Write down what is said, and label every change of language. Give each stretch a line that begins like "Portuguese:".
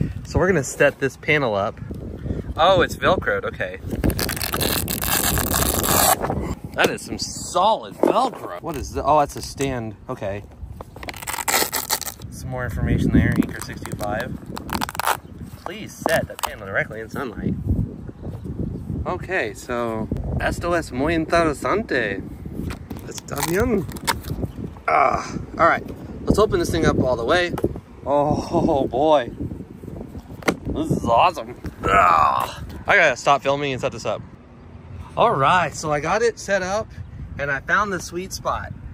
English: So we're gonna set this panel up. Oh, it's Velcroed, okay. That is some solid Velcro. What is this? Oh, that's a stand, okay. Some more information there, Anker 65. Please set the panel directly in sunlight.
Spanish: Okay, so, esto es muy interesante. Está bien.
English: All right, let's open this thing up all the way. Oh boy, this is awesome. I gotta stop filming and set this up. All right, so I got it set up and I found the sweet spot.